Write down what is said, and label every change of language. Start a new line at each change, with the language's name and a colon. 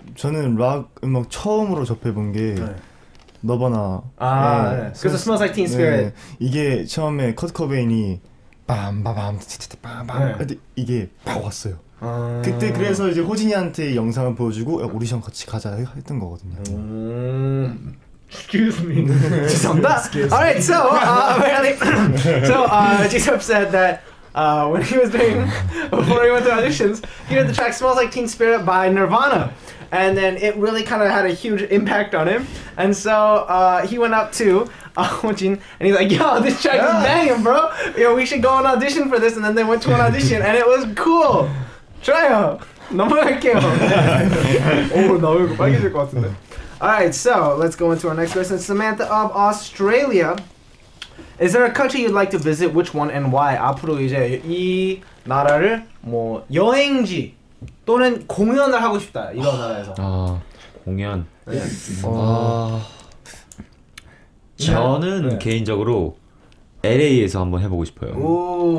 Korean: 저는 락 음악 처음으로 접해본 게 너바나 네. 아 네. 네. 그래서 Smells Like Teen Spirit 네. 이게 처음에 커트 코베인이 빰바밤 빰바밤 네. 이게 팍 왔어요. 그때 그래서 이제 호진이한테 영상을 보여주고 오디션 같이 가자 했던 거거든요.
English: Excuse me. Alright, so apparently so Jisup said that when he was doing, before he went to auditions, he heard the track Smells Like Teen Spirit by Nirvana. And then it really kind of had a huge impact on him. And so he went up to Hojin, and he's like, yo, this track is banging, bro. Yo, we should go on audition for this. And then they went to an audition, and it was cool. Try it.
Korean: 너무 할게요. 오, 나 얼굴 빨개질 것 같은데.
English: All right, so let's go into our next question. Samantha of Australia. Is there a country you'd like to visit? Which one and why?
Korean: 앞으로 이제 이 나라를 뭐 여행지 또는 공연을 하고 싶다. 이런 나라에서. 아, 공연. 아, 저는 개인적으로 LA에서 한번 해보고 싶어요. 오,